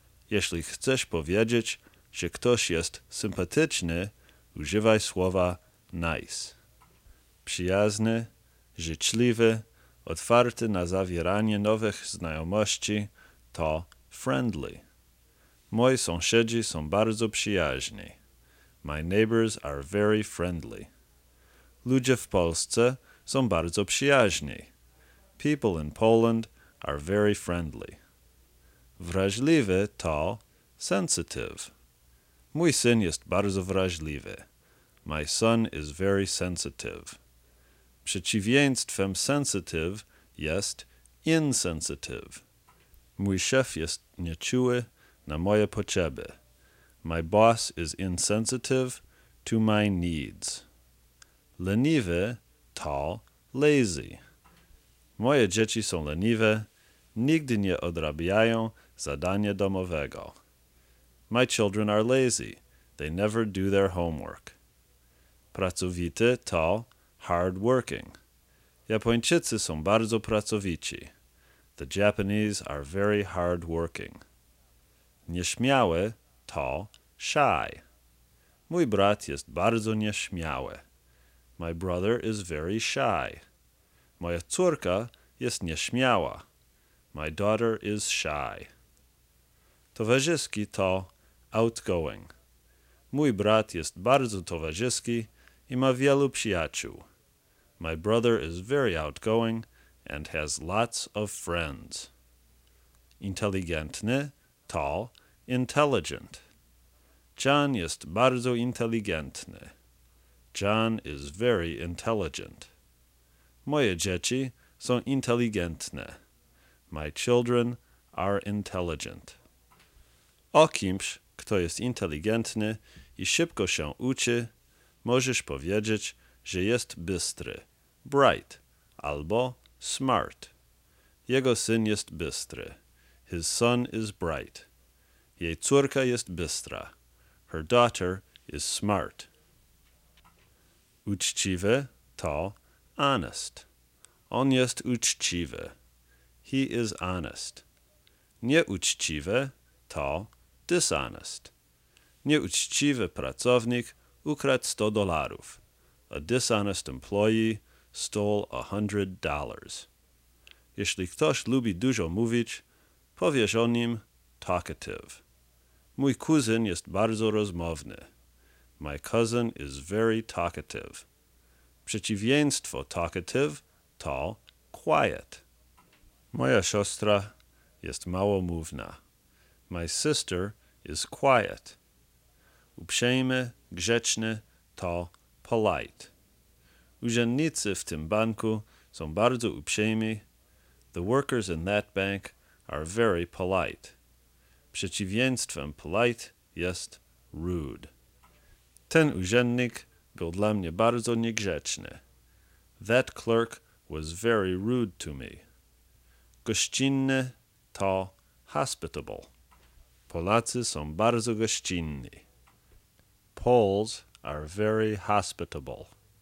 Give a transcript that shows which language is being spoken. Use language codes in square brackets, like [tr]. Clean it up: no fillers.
[pl] Jeśli chcesz powiedzieć, że ktoś jest sympatyczny, używaj słowa nice. Przyjazny, życzliwy, otwarty na zawieranie nowych znajomości to friendly. Moi sąsiedzi są bardzo przyjaźni. [en] My neighbors are very friendly. [pl] Ludzie w Polsce są bardzo przyjaźni. [en] People in Poland are very friendly. [pl] Wrażliwy to sensitive. Mój syn jest bardzo wrażliwy. [en] My son is very sensitive. [pl] Przeciwieństwem sensitive jest insensitive. Mój szef jest nieczuły na moje potrzeby. [en] My boss is insensitive to my needs. [pl] Leniwy to lazy. Moje dzieci są leniwe, nigdy nie odrabiają zadania domowego. [en] My children are lazy. They never do their homework. [pl] Pracowity to [en] hard working. [pl] Japończycy są bardzo pracowici. [en] The Japanese are very hard working. [pl] Nieśmiały to shy. Mój brat jest bardzo nieśmiały. [en] My brother is very shy. [pl] Moja córka jest nieśmiała. [en] My daughter is shy. [pl] Towarzyski to outgoing. Mój brat jest bardzo towarzyski i ma wielu przyjaciół. [en] My brother is very outgoing and has lots of friends. [pl] Inteligentny to intelligent. John jest bardzo inteligentny. [en] John is very intelligent. [pl] Moje dzieci są inteligentne. [en] My children are intelligent. [pl] O kimś, kto jest inteligentny i szybko się uczy, możesz powiedzieć, że jest bystry, bright, albo smart. Jego syn jest bystry. [en] His son is bright. [pl] Jej córka jest bystra. [en] Her daughter is smart. [pl] Uczciwy to honest. On jest uczciwy. [en] He is honest. [pl] Nieuczciwy to [en] dishonest. [pl] Nieuczciwy pracownik ukradł $100. [en] A dishonest employee stole $100. [pl] Jeśli ktoś lubi dużo mówić, powiesz o nim talkative. Mój kuzyn jest bardzo rozmowny. [en] My cousin is very talkative. [pl] Przeciwieństwo talkative to quiet. Moja siostra jest małomówna. [en] My sister is quiet. [pl] Uprzejmy, grzeczny to polite. Urzędnicy w tym banku są bardzo uprzejmi. [en] The workers in that bank are very polite. [pl] Przeciwieństwem polite jest rude. Ten urzędnik był dla mnie bardzo niegrzeczny. [en] That clerk was very rude to me. [pl] Gościnny to hospitable. Polacy są bardzo gościnni. [en] Poles are very hospitable.